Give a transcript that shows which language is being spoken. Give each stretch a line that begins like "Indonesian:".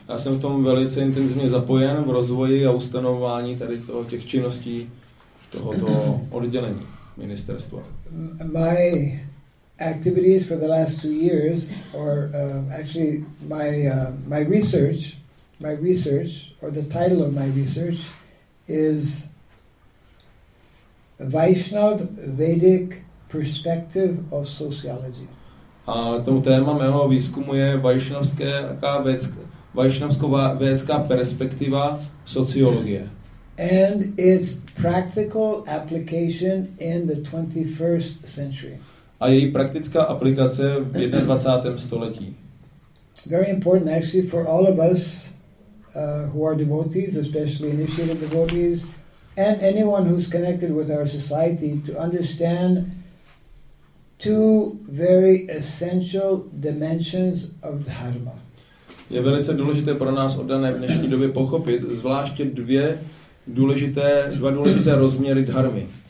Czech: Já jsem v tom velice intenzivně zapojen v rozvoji a ustanovování tady toho, těch činností tohoto oddělení ministerstva.
English: My activities for the last 2 years, or actually my research, or the title of my research, is Vaishnav Vedic Perspective of Sociology.
Czech: A to téma mého výzkumu je vaishnavská vědecká perspektiva sociologie.
English: And its practical application in the 21st century.
Czech: A její praktická aplikace v 21. století.
English: Very important actually for all of us who are devotees, especially initiated devotees, and anyone who's connected with our society, to understand two very essential dimensions of dharma.
Czech: Je velice důležité pro nás oddané v dnešní době pochopit zvláště dva důležité rozměry dharmy.